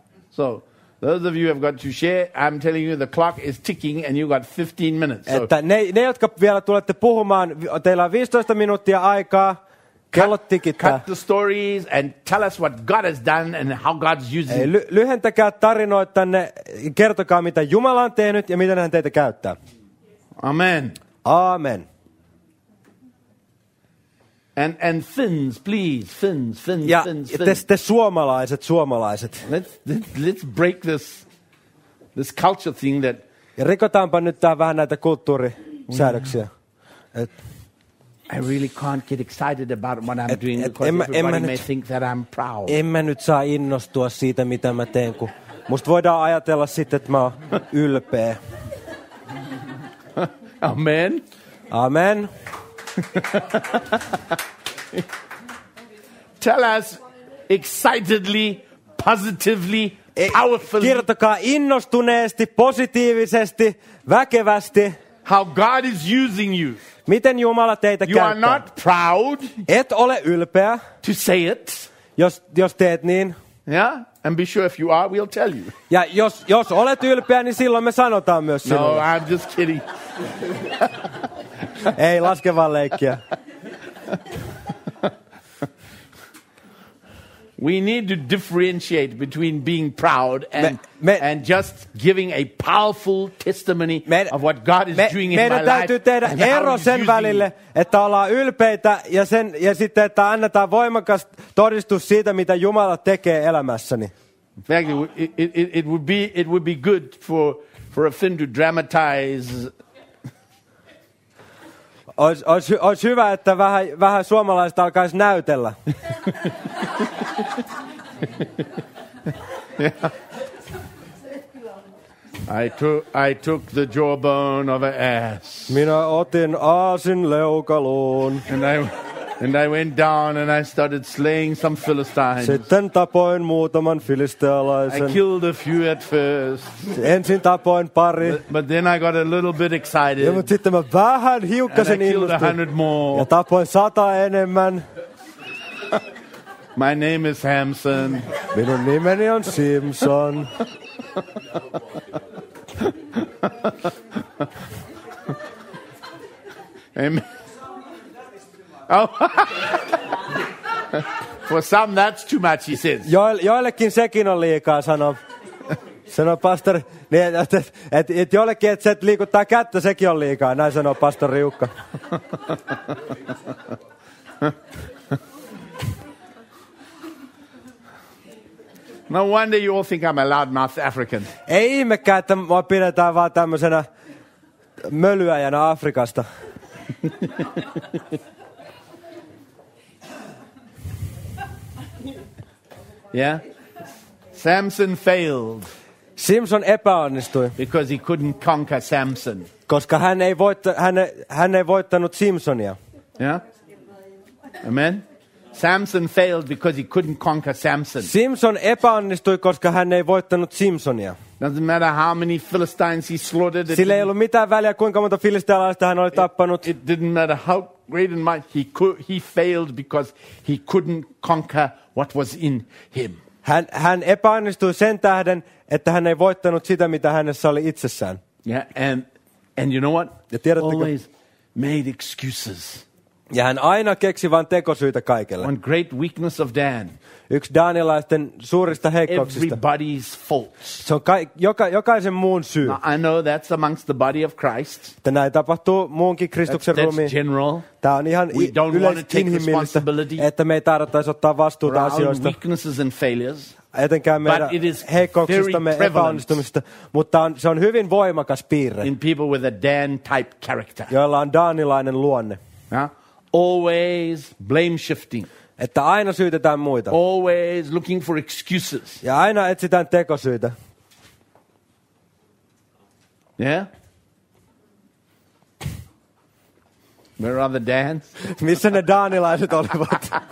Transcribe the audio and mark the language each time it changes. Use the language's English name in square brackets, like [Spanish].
[English] So, those of you who have got to share, I'm telling you the clock is ticking and you've got 15 minutes. So. [Finnish] Että ne, jotka vielä tulette puhumaan, teillä on 15 minuuttia aikaa. [English] Cut the stories and tell us what God has done and how God's using. [Finnish] Lyhentäkää tarinoitanne, kertokaa mitä Jumala on tehnyt ja miten hän teitä käyttää. [English] Amen. Amen. And Finns, please, Finns, [Finnish] ja [English] Finns. [Finnish] Ja te suomalaiset. [English] Let's break this culture thing that... [Finnish] Ja rikotaanpa nyt tähän vähän näitä kulttuurisäädöksiä. [English] I really can't get excited about what I'm doing because everybody may think that I'm proud. [Finnish] En mä nyt saa innostua siitä, mitä mä teen, kun musta voidaan ajatella sitten, että mä oon ylpeä. [English] Amen. Amen. Tell us excitedly, positively, powerfully. [Finnish] Kertokaa innostuneesti, positiivisesti, väkevästi. [English] How God is using you. [Finnish] Miten Jumala teitä [English] you [Finnish] käyttää? [English] You are not proud. [Finnish] Et ole ylpeä. [English] To say it. [Finnish] Jos teet niin. [English] Yeah. And be sure if you are, we'll tell you. [Finnish] Ja jos olet ylpeä, niin silloin me sanotaan myös sinulle. [English] No, I'm just kidding. [Finnish] Ei laske vaan leikkiä. [English] We need to differentiate between being proud and and just giving a powerful testimony of what God is doing in my life. [Finnish] Meidän täytyy tehdä ero sen välille, että ollaan ylpeitä ja sitten, että annetaan voimakas todistus siitä, mitä Jumala tekee elämässäni. [English] In fact, it would be good for a film to dramatize. [Finnish] Olisi hyvä, että vähän suomalaiset alkaisi näytellä. [English] Yeah. I took the jawbone of an ass. [Finnish] Minä otin aasin leukaluun. [English] And I went down and I started slaying some Philistines. [Finnish] Sitten tapoin muutaman filistealaisen. [English] I killed a few at first. [Finnish] Ensin tapoin pari. [English] But then I got a little bit excited. [Finnish] Ja mutta sitten mä vähän hiukkasen innostuin. [English] And I killed 100 more. [Finnish] Ja tapoin 100 enemmän. [English] My name is Samson. [Finnish] Minun nimeni on Simpson. [English] Amen. Oh. For some that's too much, he says. [Finnish] Joillekin sekin on liikaa, sanoo pastori. Niin, et joillekin, että se et liikuttaa kättä, sekin on liikaa, näin sanoo pastori Riukka. [English] No wonder you all think I'm a loudmouth African. [Finnish] Ei ihmekään, että mua pidetään vaan tämmöisenä mölyäjänä Afrikasta. [English] Yeah. Samson failed. [Finnish] Simpson epäonnistui. [English] Because he couldn't conquer Samson. [Finnish] Koska hän ei voittanut Simpsonia. [English] Yeah. Amen. Samson failed because he couldn't conquer Samson. [Finnish] Simpson epäonnistui, koska hän ei voittanut Simpsonia. [English] Doesn't matter how many Philistines he slaughtered. [Finnish] Sillä ei ollut mitään väliä, kuinka monta filistealaista hän oli tappanut. [English] It didn't matter how great and mighty he failed because he couldn't conquer what was in him. [Finnish] Hän epäonnistui sen tähden, että hän ei voittanut sitä, mitä hänessä oli itsessään. [English] Yeah, and you know what? [Finnish] Ja tiedättekö? [English] Always made excuses. [Finnish] Ja hän aina keksi vain tekosyitä kaikelle. [English] One great weakness of Dan. [Finnish] Yksi danilaisten suurista heikkouksista. [English] Everybody's fault. [Finnish] Se on jokaisen muun syy. [English] Now, I know that's amongst the body of Christ. [Finnish] Että näin tapahtuu muunkin Kristuksen ruumiin. [English] That's general. [Finnish] Tämä on ihan yleisinhimillistä, että me ei tarvittaisi ottaa vastuuta asioista. [English] Our weaknesses and failures. [Finnish] Etenkään meidän heikkouksistamme epäonnistumista, mutta se on hyvin voimakas piirre. [English] In people with a Dan-type character. [Finnish] Joilla on danilainen luonne. [English] Huh? Always blame shifting. [Finnish] Että aina syytetään muita. [English] Always looking for excuses. [Finnish] Ja aina etsitään tekosyitä. [English] Yeah. Where are the Dans? [Finnish] Missä ne danilaiset olivat?